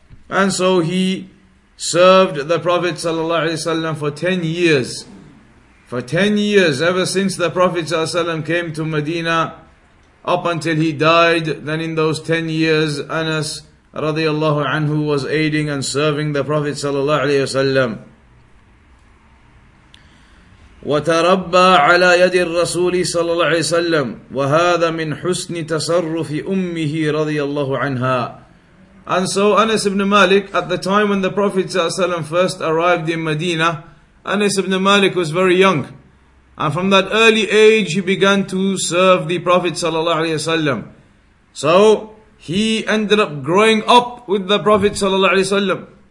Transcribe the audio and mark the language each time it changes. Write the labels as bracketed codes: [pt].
[en] And so he served the Prophet sallallahu alaihi wasallam for 10 years. For 10 years, ever since the Prophet sallallahu alaihi wasallam came to Medina, up until he died. Then in those 10 years, Anas radiallahu anhu was aiding and serving the Prophet sallallahu alaihi wasallam. [ar] وتربى على يد الرسول صلى الله عليه وسلم وهذا من حسن تصرف أمه رضي الله عنها. [en] And so Anas ibn Malik, at the time when the Prophet صلى الله عليه وسلم first arrived in Medina, Anas ibn Malik was very young, and from that early age he began to serve the Prophet صلى الله عليه وسلم. So he ended up growing up with the Prophet صلى الله عليه وسلم.